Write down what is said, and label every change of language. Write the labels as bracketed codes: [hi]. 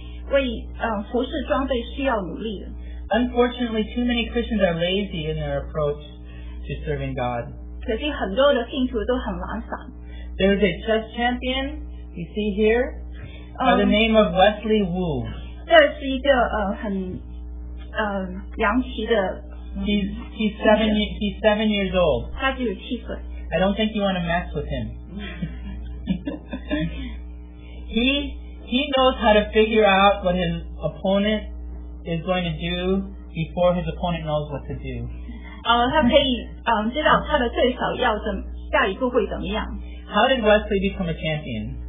[zh] 为服侍装备需要努力的。 [en] Unfortunately, too many Christians are lazy in their approach to serving God. [zh] 可是很多的信徒都很懒散。 [en] There is a chess champion you see here. By the name of Wesley Wu. [zh] 这是一个很洋气的。 [en] He's seven years old. [zh] 他只有七岁。 [en] I don't think you want to mess with him. he knows how to figure out what his opponent is going to do before his opponent knows what to do. [zh] 他可以知道他的对手要怎下一步会怎么样。 [en] How did Wesley become a champion?